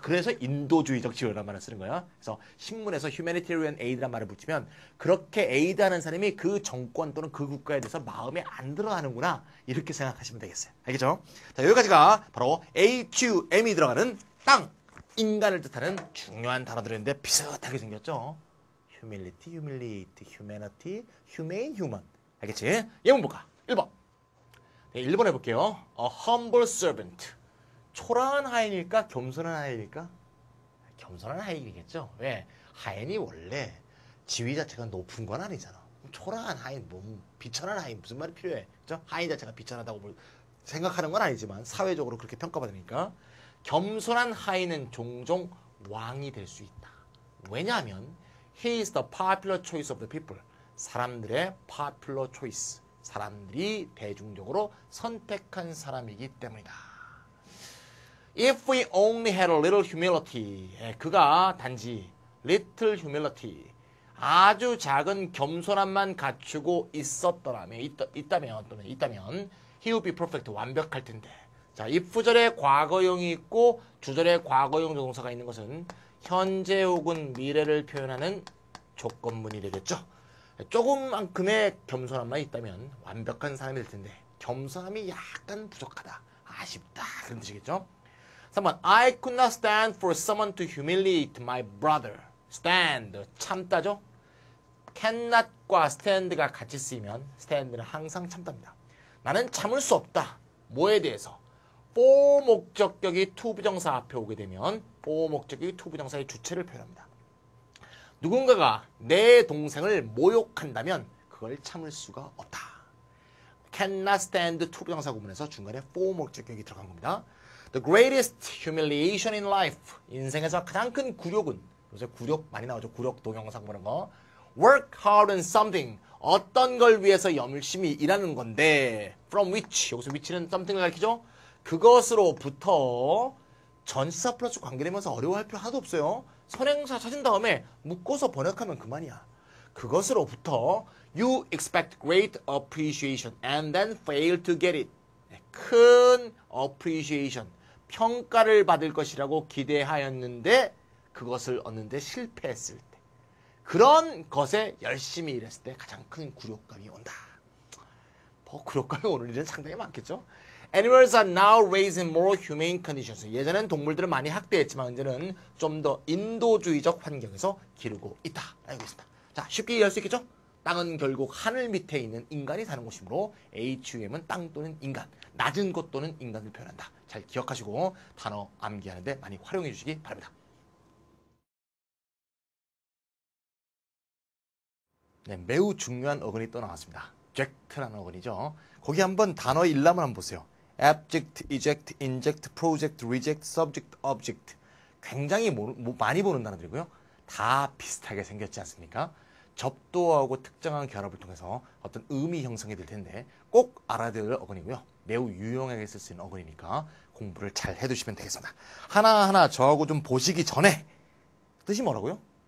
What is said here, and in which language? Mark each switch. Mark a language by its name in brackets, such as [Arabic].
[Korean] 그래서 인도주의적 지원이라는 말을 쓰는 거야. 그래서 신문에서 humanitarian aid라는 말을 붙이면 그렇게 aid하는 사람이 그 정권 또는 그 국가에 대해서 마음에 안 들어가는구나. 이렇게 생각하시면 되겠어요. 알겠죠? 자, 여기까지가 바로 AQM이 들어가는 땅, 인간을 뜻하는 중요한 단어들인데 비슷하게 생겼죠? [English] humility, humiliate, humanity, humane, human. [Korean] 알겠지? 예문 볼까? 1번. 네, 1번 해볼게요. [English] A humble servant. [Korean] 초라한 하인일까? 겸손한 하인일까? 겸손한 하인이겠죠. 왜? 하인이 원래 지위 자체가 높은 건 아니잖아. 초라한 하인, 뭐 비천한 하인 무슨 말이 필요해? 그렇죠? 하인 자체가 비천하다고 생각하는 건 아니지만 사회적으로 그렇게 평가받으니까 겸손한 하인은 종종 왕이 될 수 있다. 왜냐하면 [English] He is the popular choice of the people. [Korean] 사람들의 [English] popular choice. [Korean] 사람들이 대중적으로 선택한 사람이기 때문이다. [English] If we only had a little humility, [Korean] 그가 단지 [English] little humility, [Korean] 아주 작은 겸손함만 갖추고 있었더라면, 있다면, 또는 있다면, [English] he would be perfect, [Korean] 완벽할 텐데. 자, if절에 과거형이 있고 주절에 과거형 조동사가 있는 것은 현재 혹은 미래를 표현하는 조건문이 되겠죠. 조금만큼의 겸손함만 있다면 완벽한 사람이 될 텐데, 겸손함이 약간 부족하다, 아쉽다, 그런 뜻이겠죠. [English] 3번, I could not stand for someone to humiliate my brother. [Korean] Stand, 참다죠? Cannot과 stand가 같이 쓰이면 stand는 항상 참답니다. 나는 참을 수 없다. 뭐에 대해서? for 목적격이 to 부정사 앞에 오게 되면 for 목적격이 to 부정사의 주체를 표현합니다. 누군가가 내 동생을 모욕한다면 그걸 참을 수가 없다. Cannot stand to 부정사 구문에서 중간에 for 목적격이 들어간 겁니다. [English] The greatest humiliation in life. [Korean] 인생에서 가장 큰 굴욕은, 요새 굴욕 많이 나오죠. 굴욕 동영상 보는 거. [English] Work hard on something. [Korean] 어떤 걸 위해서 열심히 일하는 건데. [English] From which. [Korean] 여기서 which는 something을 가리키죠. 그것으로부터 전치사 플러스 관계되면서 어려워할 필요 하나도 없어요. 선행사 찾은 다음에 묶어서 번역하면 그만이야. 그것으로부터 [English] you expect great appreciation and then fail to get it. [Korean] 큰 appreciation, 평가를 받을 것이라고 기대하였는데 그것을 얻는데 실패했을 때, 그런 것에 열심히 일했을 때 가장 큰 굴욕감이 온다. 뭐 굴욕감이 오는 일은 상당히 많겠죠. [English] Animals are now raised in more humane conditions. [Korean] 예전엔 동물들을 많이 학대했지만 이제는 좀 더 인도주의적 환경에서 기르고 있다. 알고 있습니다. 자, 쉽게 이해할 수 있겠죠? 땅은 결국 하늘 밑에 있는 인간이 사는 곳이므로 HUM은 땅 또는 인간, 낮은 곳 또는 인간을 표현한다. 잘 기억하시고 단어 암기하는데 많이 활용해 주시기 바랍니다. 네, 매우 중요한 어근이 또 나왔습니다. 젝트라는 어근이죠. 거기 한번 단어 일람을 한번 보세요. [English] Abject, Eject, Inject, Project, Reject, Subject, Object. [Korean] 굉장히 많이 보는 단어들이고요. 다 비슷하게 생겼지 않습니까? 접도하고 특정한 결합을 통해서 어떤 의미 형성이 될 텐데 꼭 알아야 될 어근이고요. 매우 유용하게 쓸 수 있는 어근이니까 공부를 잘 해두시면 되겠습니다. 하나하나 저하고 좀 보시기 전에 뜻이 뭐라고요?